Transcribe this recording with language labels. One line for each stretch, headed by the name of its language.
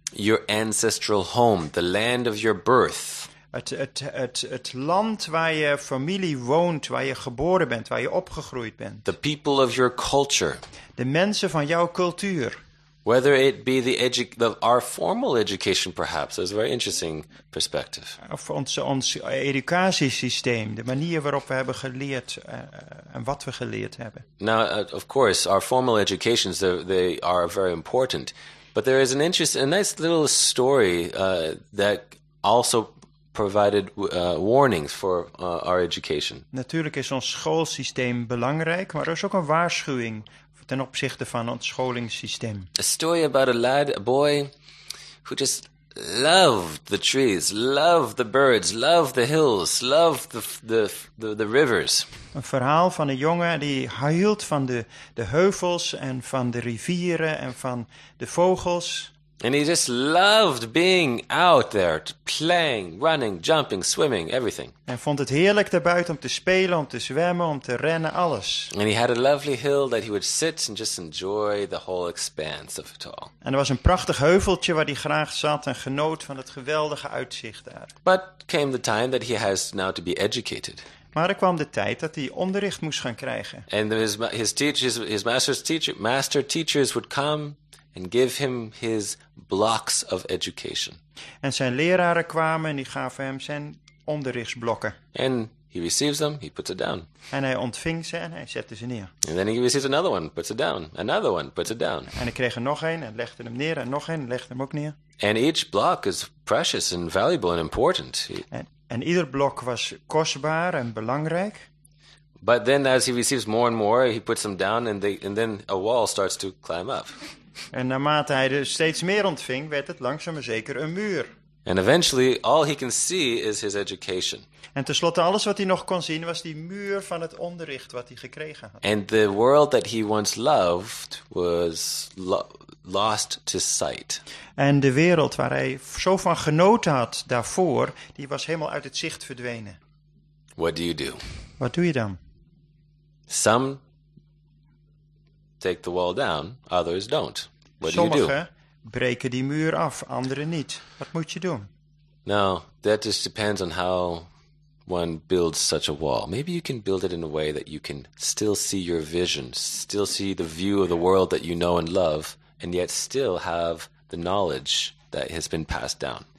English: Your ancestral home, the land of your birth.
Dutch: Het land waar je familie woont, waar je geboren bent, waar je opgegroeid bent.
English: The people of your culture.
Dutch: De mensen van jouw cultuur.
English: Whether it be our formal education, perhaps, is a very interesting perspective.
Dutch: Of ons educatiesysteem, de manier waarop we hebben geleerd en wat we geleerd hebben.
English: Now, of course, our formal educations, they are very important. But there is a nice little story that also provided warnings for our education.
Dutch: Natuurlijk is ons schoolsysteem belangrijk, maar er is ook een waarschuwing ten opzichte van ons scholingssysteem.
English: A story about a boy who just loved the trees, loved the birds, loved the hills, loved the rivers.
Dutch: Een verhaal van een jongen die hield van de heuvels en van de rivieren en van de vogels.
English: And he just loved being out there, playing, running, jumping, swimming, everything.
Dutch: Hij vond het heerlijk daarbuiten om te spelen, om te zwemmen, om te rennen, alles.
English: And he had a lovely hill that he would sit and just enjoy the whole expanse of it all.
Dutch: En er was een prachtig heuveltje waar hij graag zat en genoot van het geweldige uitzicht daar.
English: But came the time that he has now to be educated.
Dutch: Maar er kwam de tijd dat hij onderricht moest gaan krijgen.
English: And his master's teacher, master teachers would come and give him his blocks of education.
Dutch: En zijn leraren kwamen en die gaven hem zijn onderrichtsblokken.
English: And he receives them, he puts it down.
Dutch: En hij ontving ze en hij zette ze neer.
English: And then he receives another one, puts it down. Another one, puts it down.
Dutch: En hij kreeg er nog een en legde hem neer en nog een en legde hem ook neer.
English: And each block is precious and valuable and important.
Dutch: En ieder blok was kostbaar en belangrijk.
English: But then as he receives more and more, he puts them down and then a wall starts to climb up.
Dutch: En naarmate hij dus steeds meer ontving, werd het langzaam maar zeker een muur.
English: And eventually all he can see is his education.
Dutch: En tenslotte alles wat hij nog kon zien was die muur van het onderricht wat hij gekregen had.
English: And the world that he once loved was lost to sight.
Dutch: En de wereld waar hij zo van genoten had daarvoor, die was helemaal uit het zicht verdwenen.
English: What do you do?
Dutch: Wat doe je dan?
English: Some take the wall down, others don't. What
Dutch: Sommigen
English: do you do?
Dutch: Sommigen breken die muur af, anderen niet. Wat moet je doen?
English: Now, that just depends on how one builds such a wall. Maybe you can build it in a way that you can still see your vision, still see the view of the world that you know and love, and yet still have the knowledge that has been passed down.